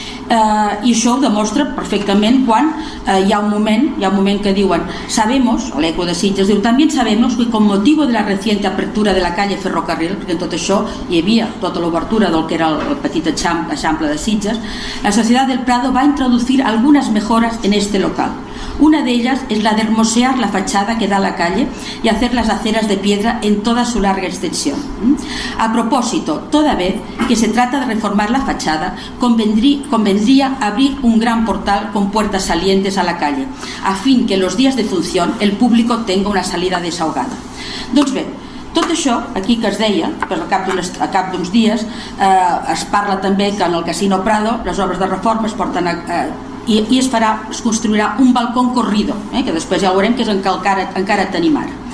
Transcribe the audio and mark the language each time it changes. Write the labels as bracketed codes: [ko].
[ca] I això ho demostra perfectament quan hi ha un moment que diuen, sabemos, l'eco de Sitges diu, també [es] sabemos que con motivo de la reciente apertura de la calle Ferrocarril, [ca] perquè tot això hi havia tota l'obertura del que era el petit eixample de Sitges, [es] la Sociedad del Prado va introducir algunes mejoras en este local. Una de ellas es la de hermosear la fachada que da a la calle y hacer las aceras de piedra en toda su larga extensión. A propósito, toda vez que se trata de reformar la fachada, convendría abrir un gran portal con puertas salientes a la calle, a fin que en los días de función el público tenga una salida desahogada. [ca] Doncs bé, tot això aquí que es deia, pues al cap d'uns dies, es parla també que en el Casino Prado les obres de reforma es porten a... I es farà, es construirà un balcón corrido, que després ja veurem que és el que encara tenim ara.